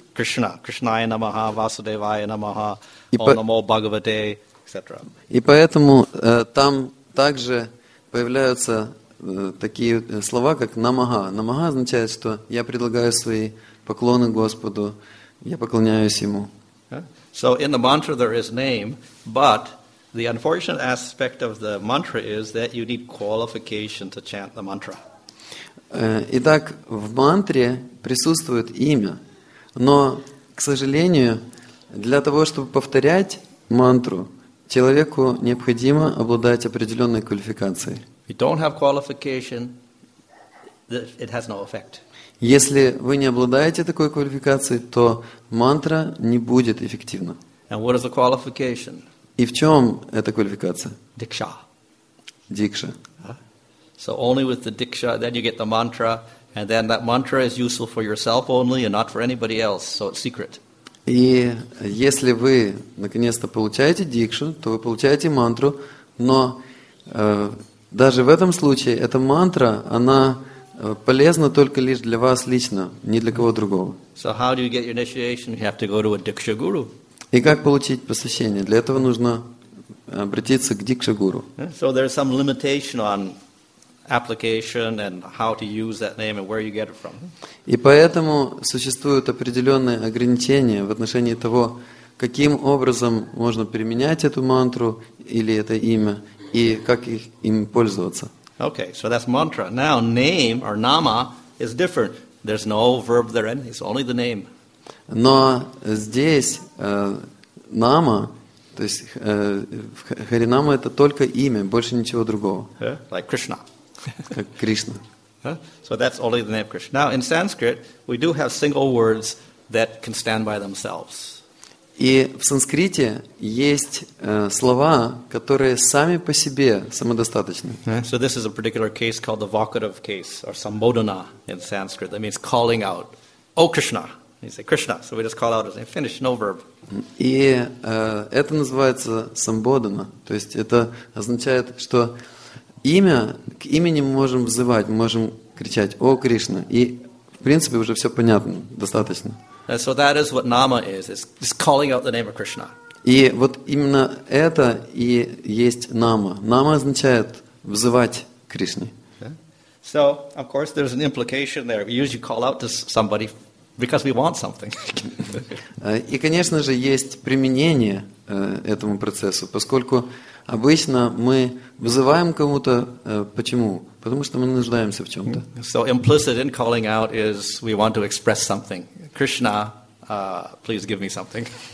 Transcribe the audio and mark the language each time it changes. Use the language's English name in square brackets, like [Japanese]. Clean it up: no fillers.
[Sanskrit] Кришна, Кришная намаха, Васудевая намаха, Олнамо Бхагавате, etc. [Russian] И поэтому там также появляются такие слова, как намаха. Намаха означает, что я предлагаю свои поклоны Господу, я поклоняюсь Ему. [English] So in the mantra there is name, but the unfortunate aspect of the mantra is that you need qualification to chant the mantra. [Russian] Итак, в мантре присутствует имя. Но, к сожалению, для того, чтобы повторять мантру, человеку необходимо обладать определенной квалификацией. [English] If you don't have qualification, it has no effect. [Russian] Если вы не обладаете такой квалификацией, то мантра не будет эффективна. [English] And what is the qualification? [Russian] И в чем эта квалификация? Дикша. Дикша. [English] So only with the diksha, then you get the mantra. And then that mantra is useful for yourself only and not for anybody else, so it's secret. [Russian] И если вы наконец-то получаете дикшу, то вы получаете мантру, но даже в этом случае эта мантра, она полезна только лишь для вас лично, не для кого другого. [English] So how do you get your initiation? You have to go to a diksha guru. [Russian] И как получить посвящение? Для этого нужно обратиться к дикша гуру. [English] So there's some limitation on application and how to use that name and where you get it from. [Russian] И поэтому существуют определенные ограничения в отношении того, каким образом можно применять эту мантру или это имя и как им пользоваться. [English] Okay, so that's mantra. Now name or nama is different. There's no verb there, it's only the name. [Russian] Но здесь нама, то есть харинама, это только имя, больше ничего другого. [English] Like Krishna. [Russian] Как Кришна. [English] So that's only the name of Krishna. Now in Sanskrit we do have single words that can stand by themselves. [Russian] И в санскрите есть слова, которые сами по себе самодостаточны. [English] So this is a particular case called the vocative case or sambodhana in Sanskrit. That means calling out, "Oh Krishna." You say Krishna. So we just call out as a finish, no verb. [Russian] И это называется самбодхана. То есть это означает, что имя, к имени мы можем взывать, мы можем кричать «О, Кришна!» И, в принципе, уже все понятно, достаточно. [English] So that is what nama is. It's calling out the name of Krishna. [Russian] И вот именно это и есть нама. Нама означает «взывать Кришне». [English] So, of course, there's an implication there. We usually call out to somebody because we want something. [Russian] И, конечно же, есть применение этому процессу, поскольку обычно мы вызываем кому-то, почему? Потому что мы нуждаемся в чем-то. [English] So implicit in calling out is we want to express something. Krishna, please give me something.